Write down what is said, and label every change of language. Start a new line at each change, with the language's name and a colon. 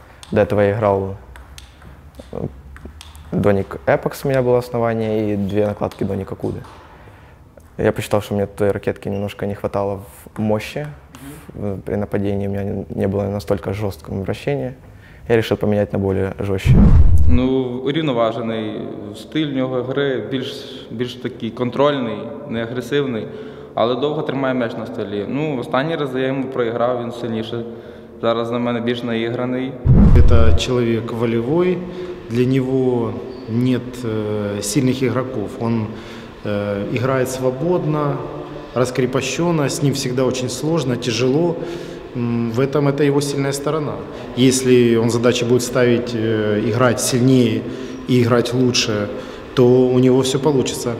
Russian: До этого я играл Donic Apex, у меня было основание, и 2 накладки Donic Acude. Я посчитал, что мне той ракетки немножко не хватало в мощи. При нападении у меня не было настолько жесткого вращения. Я решил поменять на более жестче.
Ukrainian: Ну, рівноважений стиль у нього гри, більш такий контрольний, не агресивний, але довго тримає м'яч на столі. Ну, останні рази я йому проіграв, він сильніше. Зараз на мене більш наіграний.
Russian: Это человек волевой, для него нет сильных игроков. Он играет свободно, раскрепощенно, с ним всегда очень сложно, тяжело. В этом это его сильная сторона. Если он задачи будет ставить играть сильнее и играть лучше, то у него все получится.